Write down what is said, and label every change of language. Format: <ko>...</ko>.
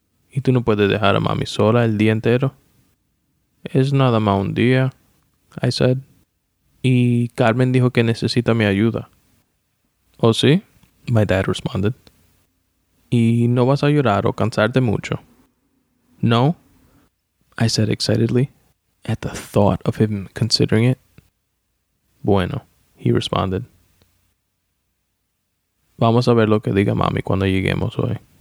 <es>¿Y tú no puedes dejar a mami sola el día entero? Es nada más un día,</es> <en>I said.</en> <es>Y Carmen dijo que necesita mi ayuda. ¿Oh, sí?,</es> <en>my dad responded.</en> <es>¿Y no vas a llorar o cansarte mucho? No,</es> <en>I said excitedly, at the thought of him considering it.</en> <es>Bueno,</es> <en>he responded.</en> <es>Vamos a ver lo que diga mami cuando lleguemos hoy.</es>